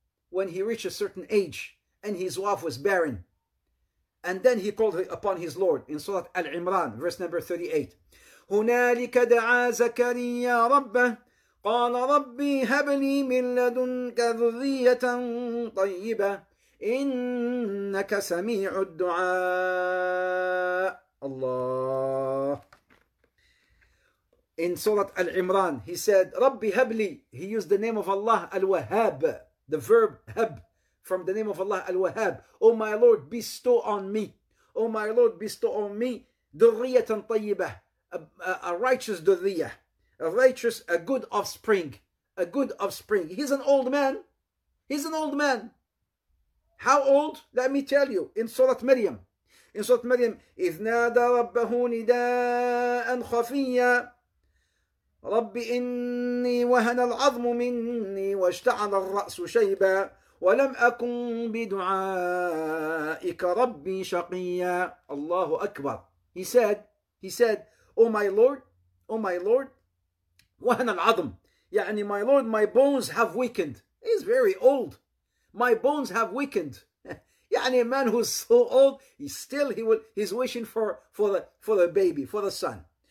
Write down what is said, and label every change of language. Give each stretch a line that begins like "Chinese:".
English: When he reached a certain age and his wife was barren, and then he called upon his Lord in Surah Al-Imran, verse number 38.
Arabic: هنالك دعا زكريا ربه قال ربي هب لي من لدنك ذرية طيبة إنك سميع الدعاء. الله.
English: In Surah Al-Imran, he said,
Arabic: Rabbi Habli,
English: he used the name of Allah, Al-Wahhab, the verb Hab, from the name of Allah Al-Wahhab. Oh my Lord, bestow on me. Oh my Lord, bestow on me
Arabic: dhurriyatan tayyibah,
English: a righteous dhurriyah, a righteous, a good offspring, a good offspring. He's an old man. He's an old man. How old? Let me tell you. In Surah Maryam.
Arabic: In Surah Maryam, إِذْ نَادَ رَبَّهُ نِدَاءً خَفِيًّا رَبِّ إِنِّي وَهَنَ الْعَظْمُ مِنِّي وَاشْتَعَلَ الرَّأْسُ شَيْبًا وَلَمْ أَكُنْ بِدُعَائِكَ رَبِّي شَقِيًّا. الله أكبر.
English: He said, Oh my Lord, Oh my Lord,
Arabic: وَهَنَ الْعَظْمُ.
English: يعني, my Lord, my bones have weakened. He's very old. My bones have weakened. يعني, a man who's so old, he's wishing for the baby, for the son.